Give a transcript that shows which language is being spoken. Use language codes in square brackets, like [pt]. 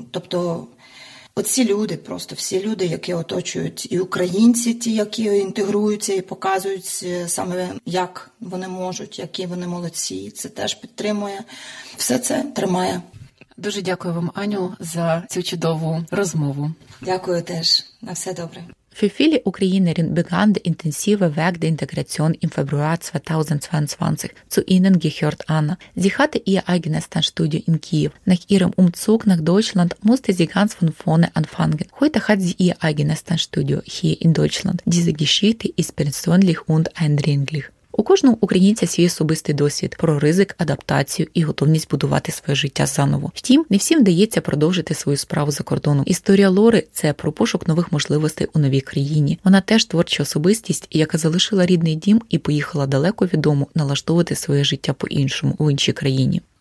[uk] Тобто оці люди, просто всі люди, які оточують, і українці ті, які інтегруються і показують саме, як вони можуть, які вони молодці, це теж підтримує. Все це тримає. Дуже дякую вам, Аню, за цю чудову розмову. Дякую теж. На все добре. [de] Für viele Ukrainerin begann der intensive Weg der Integration im Februar 2022. Zu ihnen gehört Anna. Sie hatte ihr eigenes Tanzstudio in Kiew. Nach ihrem Umzug nach Deutschland musste sie ganz von vorne anfangen. Heute hat sie ihr eigenes Tanzstudio hier in Deutschland. Diese Geschichte ist persönlich und eindringlich. [uk] У кожного українця свій особистий досвід про ризик, адаптацію і готовність будувати своє життя заново. Втім, не всім вдається продовжити свою справу за кордоном. Історія Лори – це про пошук нових можливостей у новій країні. Вона теж творча особистість, яка залишила рідний дім і поїхала далеко від дому налаштовувати своє життя по-іншому в іншій країні.